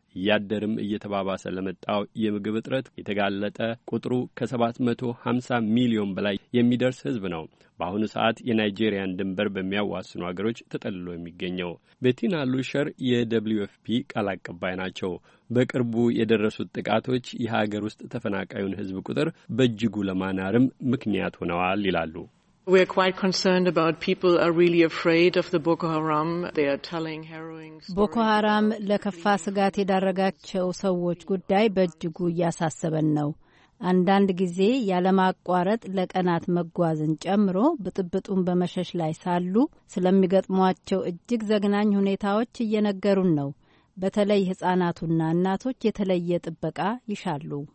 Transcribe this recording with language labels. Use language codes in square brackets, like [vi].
[am] ያደርም እየተባባሰ ለመጣው የምግብ እጥረት የተጋለጠ ቁጥሩ ከ750 ሚሊዮን በላይ የሚደርስ ህዝብ ነው። በአሁኑ ሰዓት የናይጄሪያን ድንበር በሚያዋስኑ አገሮች ተጠልሎ የሚገኘው ቤቲና ሉሸር የWFP ቃል አቀባይ ናቸው። በቅርቡ የደረሱት ጥቃቶች የሀገር ውስጥ ተፈናቃዩን ህዝብ ቁጥር በእጅጉ ለማናርም ምክንያት ሆነዋል ይላሉ። [en] We are quite concerned about people are really afraid of the Boko Haram. They are telling harrowing stories. [am] Boko Haram ለከፋ ስጋት የዳረጋቸው ሰዎች ጉዳይ በእጅጉ ያሳሰበን ነው። አንዳንድ ጊዜ ያለማቋረጥ ለቀናት መጓዝን ጨምሮ በጥብጡን በመሸሽ ላይ ሳሉ ስለሚገጥሟቸው እጅግ ዘግናኝ ሁኔታዎች እየነገሩን ነው። በተለይ ህፃናቱና እናቶች የተለየ ጥበቃ ይሻሉ።